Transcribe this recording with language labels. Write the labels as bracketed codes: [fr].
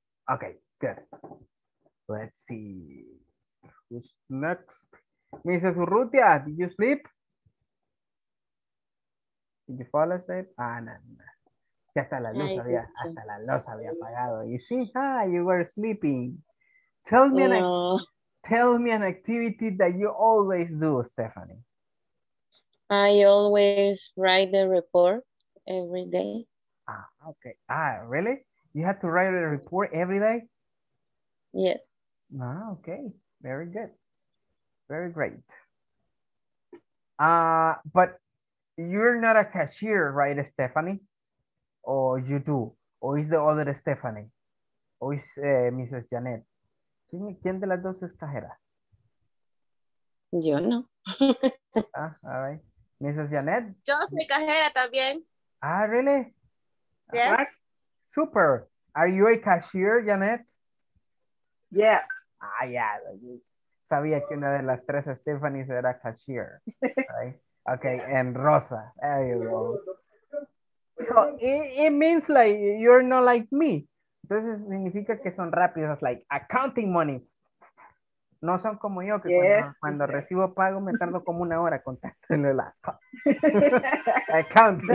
[en] Ok, good. Let's see. Who's next? Mrs. Urrutia, did you sleep? Did you fall asleep? Ah, no, no. [es] Ya hasta la luz había, hasta la luz había apagado. [en] You see, ah, you were sleeping. Tell me an activity that you always do, Stephanie. I always write the report every day. Ah, okay. Ah, really? You have to write a report every day? Yes. Ah, okay. Very good. Very great. But you're not a cashier, right, Stephanie? Or you do? Or is the other Stephanie? Or is Mrs. Janet? [es] ¿Quién de las dos es cajera? Yo no. [en] Ah, all right. Mrs. Janet? [es] Yo soy cajera también. [en] Ah, really? Yes. All right. Super. Are you a cashier, Janet? Yeah. Ah, yeah. [es] Sabía que una de las tres Stephanie era [en] cashier. Right? Okay, and Rosa. There you go. So it means like you're not like me. [es] Entonces significa que son rápidos, [en] like accounting money. [es] No son como yo, que cuando recibo pago me tardo como una hora contándole la [en] accounting.